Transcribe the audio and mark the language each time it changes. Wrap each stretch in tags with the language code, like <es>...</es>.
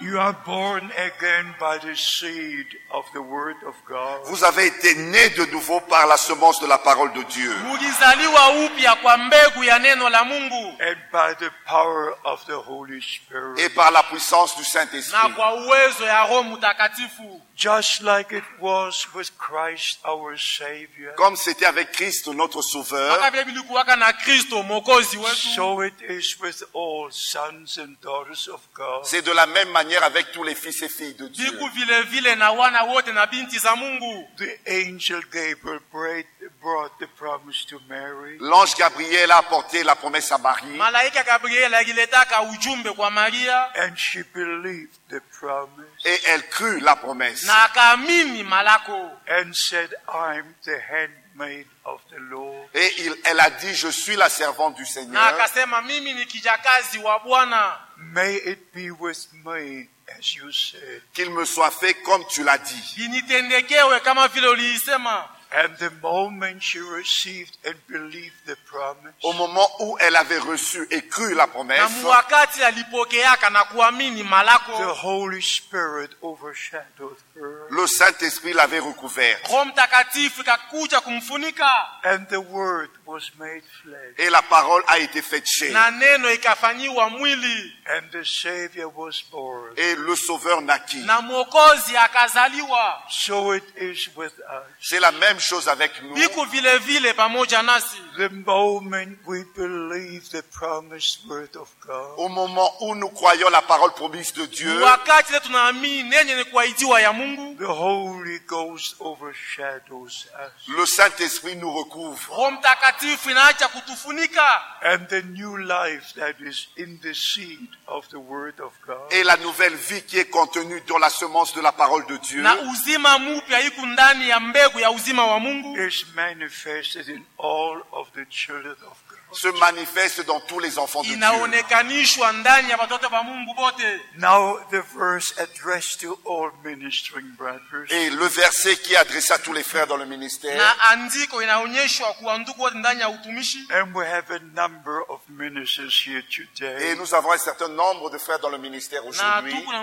<en>You are born again by the seed of the word of God.</en> <fr>Vous avez été né de nouveau par la semence de la parole de Dieu.</fr> <sw>Mugizaliwa upya kwa mbegu ya neno la Mungu.</sw> <en>And by the power of the Holy Spirit.</en> <fr>Et par la puissance du Saint-Esprit.</fr> <sw>Na kwa uwezo ya Roho Mtakatifu.</sw> <en>Just like it was with Christ our Savior.</en> <fr>Comme c'était avec Christ notre Sauveur.</fr> <en>So it is with all sons and daughters of God.</en> <fr>C'est de la même manière avec tous les fils et filles de Dieu.</fr> <en>The angel Gabriel brought the promise to Mary.</en> <fr>L'ange Gabriel a apporté la promesse à Marie.</fr> <en>And she believed the promise.</en> <fr>Et elle crut la promesse.</fr> <en>And said, I'm the handmaid of the Lord.</en> <fr>Et elle a dit, je suis la servante du Seigneur.</fr> <sw>Akasema, mimi ni kijakazi wa Bwana.</sw> <en>May it be with me as you said.</en> <fr>Qu'il me soit fait comme tu l'as dit.</fr> <sw>Initendekewe kama vile uliisema.</sw> <en>And the moment she received and believed the promise,</en> <fr>au moment où elle avait reçu et cru la promesse, the</fr> <en>Holy Spirit overshadowed her.</en> <fr>Le Saint-Esprit l'avait recouvert.</fr> <en>And the word was made flesh.</en> <fr>Et la parole a été faite chair.</fr> <sw>Na neno ikafanyiwa mwili.</sw> <en>And the Savior was born.</en> <fr>Et le Sauveur naquit.</fr> <sw>Na mwokozi akazaliwa.</sw> <en>So it is with us.</en> <fr>C'est la même chose avec nous.</fr> <en>The moment we believe the promised word of God.</en> <fr>Au moment où nous croyons la parole promise de Dieu.</fr> <sw>Wakati tunaamini nenye ni kuahidiwa ya Mungu.</sw> <en>The Holy Ghost overshadows us.</en> <fr>Le Saint-Esprit nous recouvre.</fr> <en>And the new life that is in the seed of the word of God.</en> <fr>Et la nouvelle vie qui est contenue dans la semence de la parole de Dieu.</fr> <sw>Na uzima mupya iko ndani ya mbegu ya uzima wa Mungu.</sw> <en>Is manifested in all of the children of God.</en> <fr>Se manifeste dans tous les enfants de Dieu.</fr> <sw>Inaonekanishwa ndani ya watoto wa Mungu wote.</sw> <en>Now the verse addressed to all ministering brothers.</en> <fr>Et le verset qui est adressé à tous les frères dans le ministère.</fr> <sw>Na andiko inaonyeshwa kwa ndugu wote ndani ya utumishi.</sw> <en>And we have a number of ministers here today.</en> <fr>Et nous avons un certain nombre de frères dans le ministère aujourd'hui.</fr>